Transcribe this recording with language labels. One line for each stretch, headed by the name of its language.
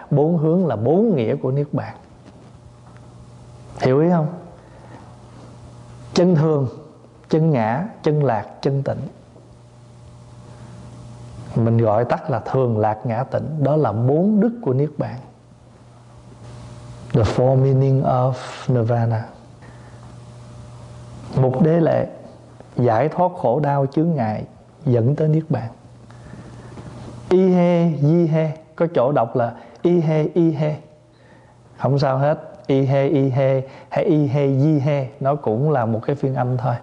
Vietnamese: 4 hướng là 4 nghĩa của Niết Bàn. Hiểu ý không? Chân thường, chân ngã, chân lạc, chân tịnh. Mình gọi tắt là thường, lạc, ngã, tịnh. Đó là 4 đức của Niết Bàn.
English: The four meaning of Nirvana.
Vietnamese: Một đế lệ giải thoát khổ đau chướng ngại dẫn tới Niết Bàn. Ihe, yihe. Có chỗ đọc là ihe, yihe. Không sao hết. Ihe, yihe hay ihe, yihe, nó cũng là một cái phiên âm thôi.